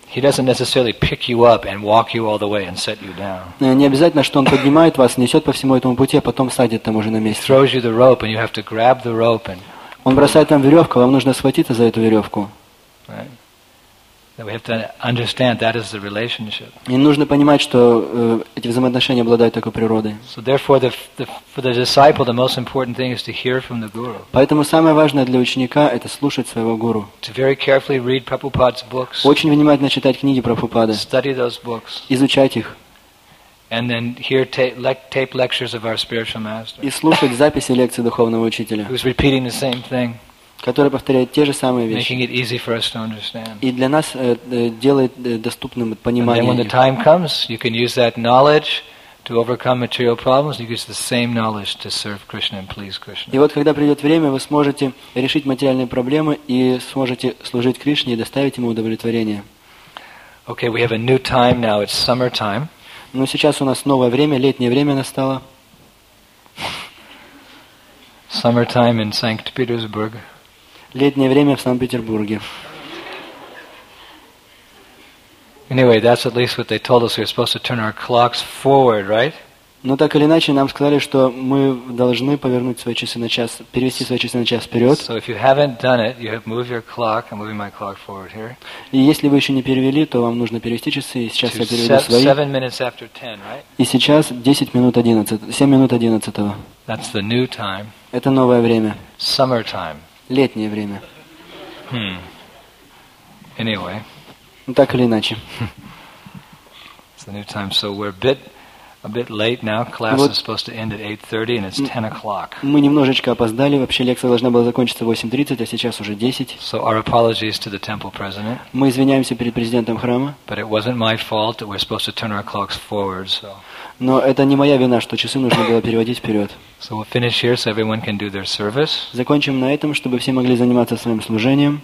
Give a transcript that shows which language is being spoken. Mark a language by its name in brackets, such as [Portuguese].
[English] He doesn't necessarily pick you up and walk you all the way and set you down. [Russian] Не обязательно, что он поднимает вас, несет по всему этому пути, а потом садит там уже на месте. [English] He throws you the rope, and you have to grab the rope and. [Russian] Он бросает вам веревку, вам нужно схватиться за эту веревку. [English] That we have to understand that is the relationship. [Russian] И нужно понимать, что эти взаимоотношения обладают такой природой. [English] So therefore, for the disciple, the most important thing is to hear from the guru. [Russian] Поэтому самое важное для ученика это слушать своего гуру. [English] To very carefully read Prabhupada's books. [Russian] Очень внимательно читать книги Прабхупады. [English] Study those books. [Russian] Изучать их. [English] And then hear tape lectures of our spiritual master. [Russian] И слушать записи лекций духовного учителя. [English] Who's repeating the same thing. [Russian] Которые повторяют те же самые вещи. [English] Making it easy for us to understand. [Russian] И для нас делает доступным понимание. [English] And when the time comes, you can use that knowledge to overcome material problems. You use the same knowledge to serve Krishna and please Krishna. [Russian] И вот когда придет время, вы сможете решить материальные проблемы и сможете служить Кришне и доставить ему удовлетворение. [English] Okay, we have a new time now. It's summertime. [Russian] Но сейчас у нас новое время, летнее время настало. [English] Summertime in Saint Petersburg. [Russian] Летнее время в Санкт-Петербурге. [English] Anyway, that's at least what they told us. We're supposed to turn our clocks forward, right? [Russian] Но так или иначе нам сказали, что мы должны повернуть свои часы на час, перевести свои часы на час вперед. [English] So if you haven't done it, you have moved your clock. I'm moving my clock forward here. [Russian] И если вы еще не перевели, то вам нужно перевести часы. И сейчас я переведу свои. [English] 7:10, right? [Russian] И сейчас 10:11. 7:11. [English] That's the new time. [Russian] Это новое время. [English] Summertime. [Russian] Летнее время. [English] Anyway. [Russian] Так или иначе. [English] It's the new time, so we're a bit late now. Class is supposed to end at 8:30, and it's 10:00. [Russian] Мы немножечко опоздали. Вообще лекция должна была закончиться в 8:30, а сейчас уже 10. [English] So our apologies to the temple president. [Russian] Мы извиняемся перед президентом храма. [English] But it wasn't my fault that we're supposed to turn our clocks forward. So. [Russian] Но это не моя вина, что часы нужно было переводить вперед. [English] So we'll finish here, so everyone can do their service. [Russian] Закончим на этом, чтобы все могли заниматься своим служением.